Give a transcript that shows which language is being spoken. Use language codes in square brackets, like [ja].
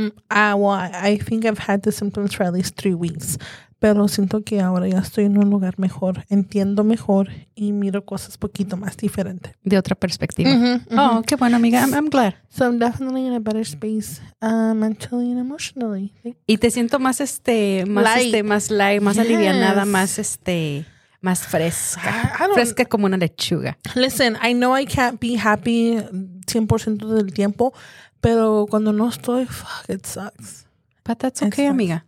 [en] I think I've had the symptoms for at least 3 weeks, [es] pero siento que ahora ya estoy en un lugar mejor, entiendo mejor y miro cosas poquito más diferente. De otra perspectiva. Mm-hmm. Oh, qué bueno, amiga. [en] I'm glad. So I'm definitely in a better space, mentally and emotionally. [es] Y te siento más más alivianada, más más fresca. Fresca como una lechuga. [en] Listen, I know I can't be happy 100% [es] del tiempo. Pero cuando no estoy, [en] fuck, it sucks. But that's okay, amiga.